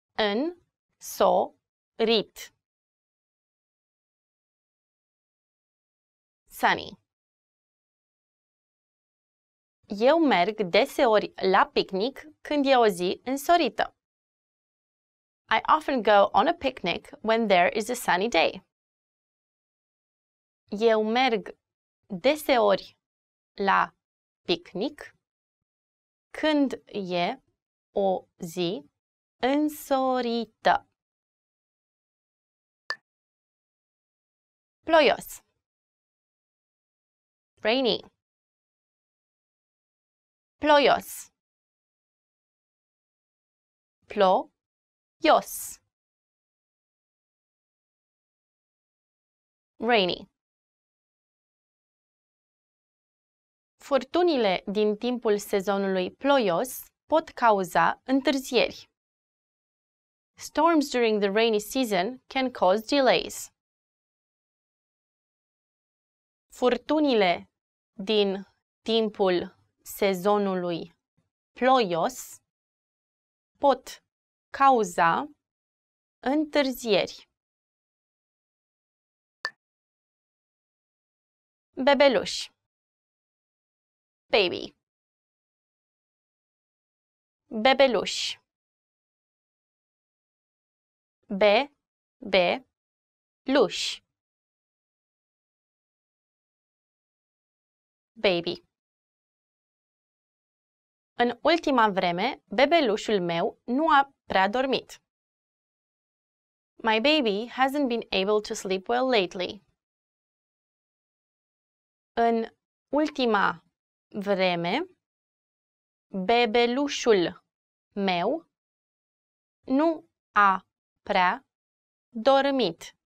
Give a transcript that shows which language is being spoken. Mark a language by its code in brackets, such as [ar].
[ro] Însorit. [en] Sunny. [ro] Eu merg deseori la picnic când e o zi însorită. [en] I often go on a picnic when there is a sunny day. [ro] Eu merg deseori la picnic când e o zi însorită. Ploios. [en] Rainy. [ro] Ploios. Ploios. [en] Rainy. [ro] Furtunile din timpul sezonului ploios pot cauza întârzieri. [en] Storms during the rainy season can cause delays. [ro] Furtunile din timpul sezonului ploios pot cauza întârzieri. Bebeluș. [en] Baby. [ro] Bebeluș. Bebeluș. [en] Baby. [ro] În ultima vreme, bebelușul meu nu a prea dormit. [en] My baby hasn't been able to sleep well lately. [ro] În ultima vreme, bebelușul meu nu a prea dormit.